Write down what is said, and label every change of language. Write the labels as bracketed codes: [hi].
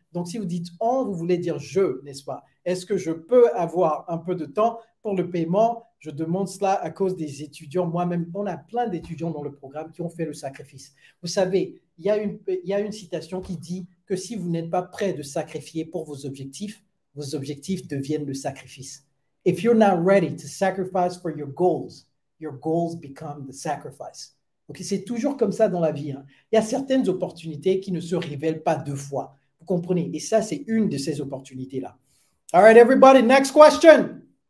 [fr] Donc, si vous dites « on », vous voulez dire « je », n'est-ce pas? Est-ce que je peux avoir un peu de temps pour le paiement? Je demande cela à cause des étudiants. Moi-même, on a plein d'étudiants dans le programme qui ont fait le sacrifice. Vous savez, il y a une citation qui dit que si vous n'êtes pas prêt de sacrifier pour vos objectifs deviennent le sacrifice. [en] If you're not ready to sacrifice for your goals become the sacrifice. Okay? [fr] C'est toujours comme ça dans la vie. Hein. Il y a certaines opportunités qui ne se révèlent pas deux fois. Vous comprenez? Et ça, c'est une de ces opportunités-là. [en] All right, everybody, next question.